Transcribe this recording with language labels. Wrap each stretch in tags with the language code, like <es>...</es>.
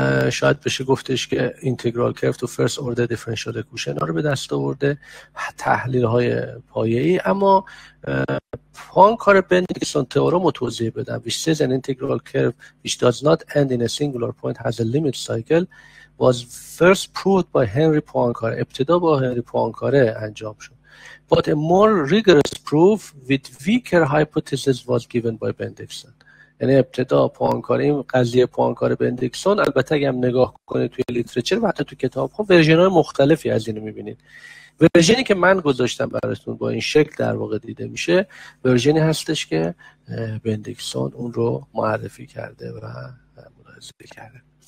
<fa>شاید بشه گفتش که اینتگرال کرف تو فرست اوردر دیفرنشیال اکوشن رو به دست آورده، تحلیل های پایه‌ای. اما پانکار بندیکسون تئورم رو توضیح بدم،</fa> <en>which says an integral curve which does not end in a singular point has a limit cycle was first proved by Henry Poincare.</en> <fa>ابتدا با هنری پانکاره انجام شد.</fa> <en>But a more rigorous proof with weaker hypothesis was given by Bendixson.</en> <fa>یعنی ابتدا پانکاره، این قضیه پانکاره بندیکسون، البته اگه هم نگاه کنه توی لیترچر و حتی توی کتاب ها ورژن های مختلفی از اینو میبینید. ورژنی که من گذاشتم براتون با این شکل در واقع دیده میشه، ورژنی هستش که بندیکسون اون رو معرفی کرده و ملاحظه کرده.</fa>